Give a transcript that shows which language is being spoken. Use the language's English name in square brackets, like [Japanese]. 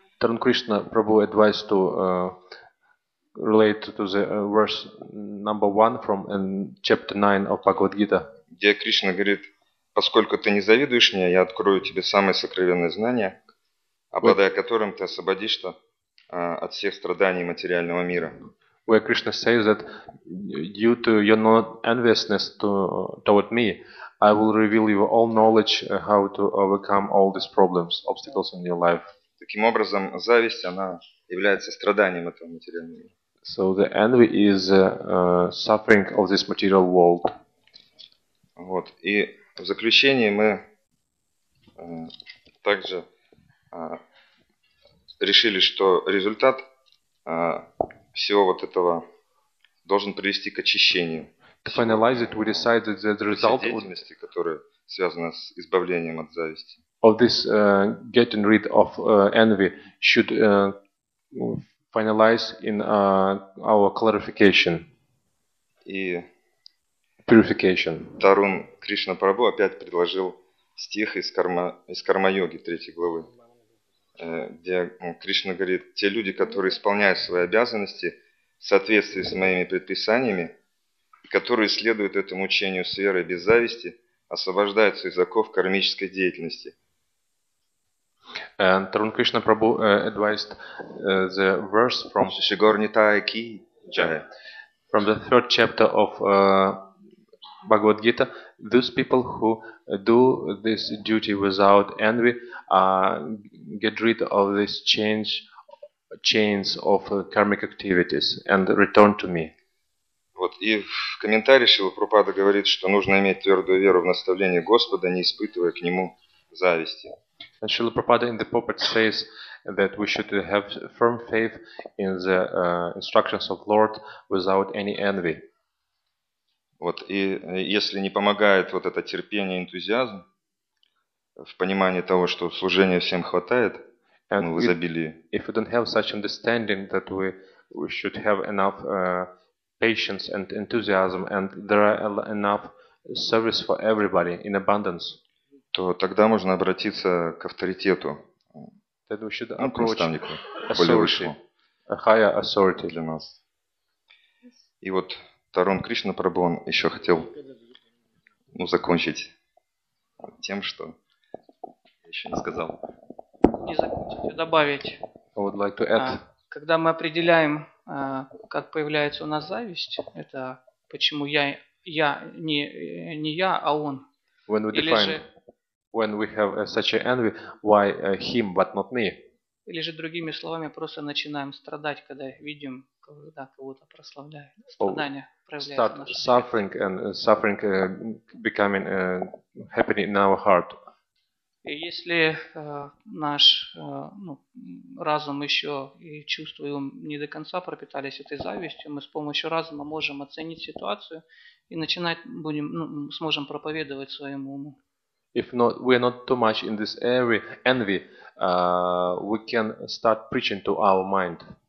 [English] Тарун Кришна Прабху advised to relate to the verse number 1 from chapter 9 of Bhagavad Gita. [Russian] Где Кришна говорит: поскольку ты не завидуешь мне, я открою тебе самое сокровенное знание, обладая которым ты освободишься от всех страданий материального мира. [English] Where Krishna says that due to your not enviousness toward me, I will reveal you all knowledge how to overcome all these problems, obstacles in your life. [Russian] Таким образом, зависть, она является страданием этого материального мира. [English] So the envy is suffering of this material world. [Russian] Вот. И в заключение мы также решили, что результат всего вот этого должен привести к очищению. [English] To finalize it, we decided that the result [Russian] of деятельности, которая связана с избавлением от зависти. [English] Of this getting rid of envy should finalize in our clarification. [Russian] И [English] purification. [Russian] Тарун Кришна Прабху опять предложил стих из Карма-йоги, третьей главы, где Кришна говорит: те люди, которые исполняют свои обязанности в соответствии с моими предписаниями, которые следуют этому учению с верой без зависти, освобождаются из оков кармической деятельности. [English] Тарун Кришна Прабху advised the verse from [Hindi] Шигор Нитай Ки Джая. [English] From the third chapter of Bhagavad Gita, those people who do this duty without envy get rid of these chains of karmic activities and return to me. [Russian] Вот, и в комментарии Шрила Прабхупада говорит, что нужно иметь твердую веру в наставление Господа, не испытывая к Нему зависти. [English] And Shrila Prabhupada in the purport says that we should have firm faith in the instructions of Lord without any envy. [Russian] Вот, и если не помогает вот это терпение, энтузиазм в понимании того, что служения всем хватает, ну, в изобилии. [English] If we don't have such understanding that we should have enough patience and enthusiasm and there are enough service for everybody in abundance, [Russian] то тогда можно обратиться к авторитету, ну, к наставнику, более высшему, [English] a higher authority [Russian] для нас. И вот Тарун Кришна Прабху, он еще хотел, ну, закончить тем, что еще не сказал. Не закончить, а добавить. [English] I would like to add. [Russian] Когда мы определяем, как появляется у нас зависть, это почему я не я, а он. [English] When we define, when we have such an envy, why him, but not me? [Russian] Или же другими словами, просто начинаем страдать, когда видим, когда кого-то прославляют. Страдания. [English] Start suffering and suffering becoming happening in our heart. [Russian] И если наш разум еще и чувства его не до конца пропитались этой завистью, мы с помощью разума можем оценить ситуацию и начинать будем, ну, сможем проповедовать своему уму. [English] If not, we are not too much in this area envy, we can start preaching to our mind.